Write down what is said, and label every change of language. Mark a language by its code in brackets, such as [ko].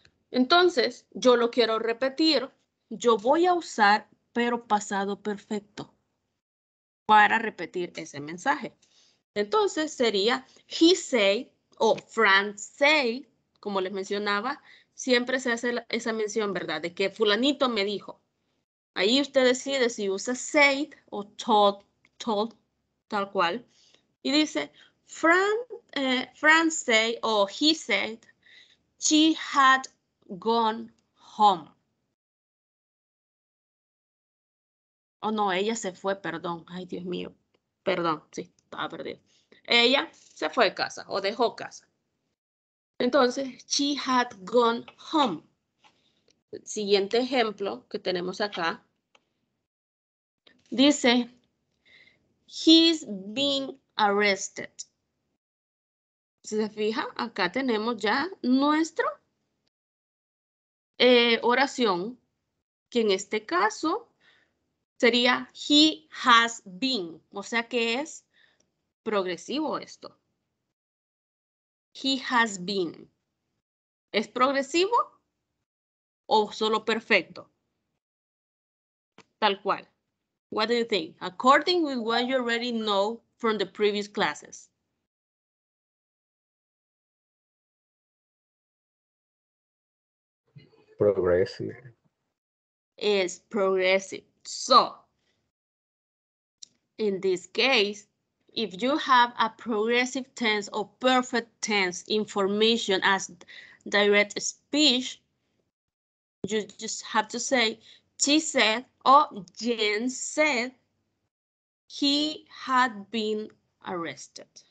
[es] Entonces, yo lo quiero repetir. Yo voy a usar pero pasado perfecto para repetir ese mensaje. Entonces sería [en] he say [es] o [en] Frank say, [es] como les mencionaba, siempre se hace esa mención, ¿verdad? De que fulanito me dijo. Ahí usted decide si usa said o told, tal cual. Y dice, [en] Frank say o he said, she had gone home. [es] Oh, no, ella se fue, perdón. Ay, Dios mío. Perdón, sí, estaba perdido. Ella se fue de casa o dejó casa. Entonces, [en] she had gone home. [es] El siguiente ejemplo que tenemos acá. Dice, [en] he's been arrested. [es] Si se fija, acá tenemos ya nuestra oración, que en este caso sería [en] he has been. [es] O sea que es progresivo esto. [en] He has been. [es] ¿Es progresivo o solo perfecto? Tal cual. [en] What do you think? According with what you already know from the previous classes. Progressive. It's progressive. So, in this case, if you have a progressive tense or perfect tense information as direct speech, you just have to say, she said, oh, Jen said he had been arrested.